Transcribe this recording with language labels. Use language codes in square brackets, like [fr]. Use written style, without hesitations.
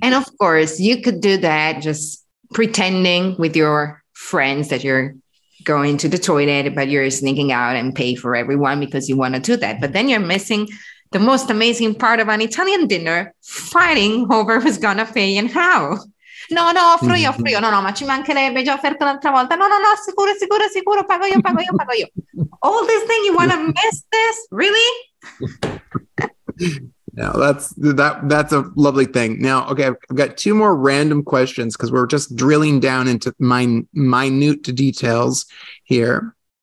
[en] And of course, you could do that just pretending with your friends that you're going to the toilet, but you're sneaking out and pay for everyone because you want to do that. But then you're missing the most amazing part of an Italian dinner, fighting over who's going to pay and how. [it] No, offro io. No, ma ci mancherebbe, già offerto l'altra volta. No, sicuro, pago io. [en] All this thing, you want to miss this? Really? Now, that's a lovely thing. Now, okay, I've got 2 more random questions because we're just drilling down into minute details here.